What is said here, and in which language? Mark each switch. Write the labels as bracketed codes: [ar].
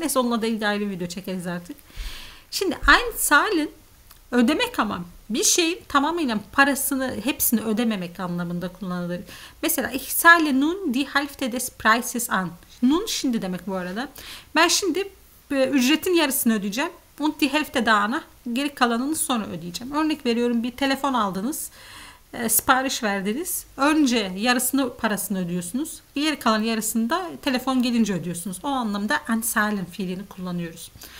[tr] Neyse onunla da ilgili ayrı video çekeriz artık. Şimdi Einzahlen ödemek ama bir şeyin tamamıyla parasını hepsini ödememek anlamında kullanılır. Mesela [de] ich zahle nun die Hälfte des Preises an. [tr] Nun şimdi demek bu arada. Ben şimdi ücretin yarısını ödeyeceğim. [de] Und die Hälfte [tr] daha geri kalanını sonra ödeyeceğim. Örnek veriyorum bir telefon aldınız. Sipariş verdiniz. Önce yarısını parasını ödüyorsunuz. Geri kalan yarısını da telefon gelince ödüyorsunuz. O anlamda Einzahlen fiilini kullanıyoruz.